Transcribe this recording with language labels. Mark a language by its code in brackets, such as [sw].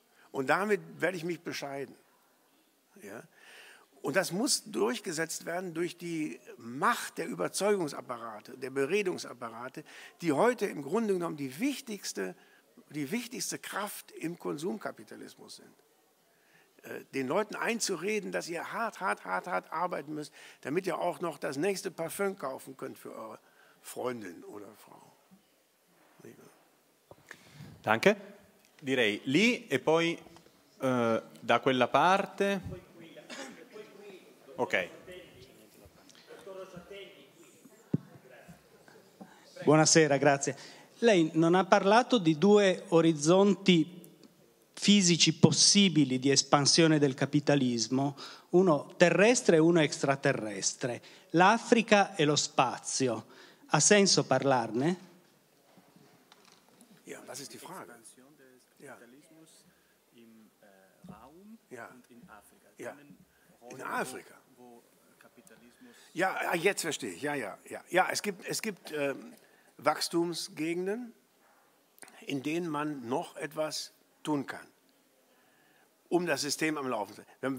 [de] Und damit werde ich mich bescheiden. Ja? Und das muss durchgesetzt werden durch die Macht der Überzeugungsapparate, der Beredungsapparate, die heute im Grunde genommen die wichtigste Kraft im Konsumkapitalismus sind. Den Leuten einzureden, dass ihr hart arbeiten müsst, damit ihr auch noch das nächste Parfüm kaufen könnt für eure Freundin oder Frau. Liebe. Danke. [it] Direi lì e poi da quella parte. Ok. Buonasera, grazie. Lei non ha parlato di due orizzonti fisici possibili di espansione del capitalismo, uno terrestre e uno extraterrestre, l'Africa e lo spazio. Ha senso parlarne? [de] Ja, was ist die Frage? Expansion des Kapitalismus im Raum und in Afrika. Ja. In Afrika. Ja, jetzt verstehe ich. Ja, es gibt Wachstumsgegenden, in denen man noch etwas tun kann, um das System am Laufen zu halten.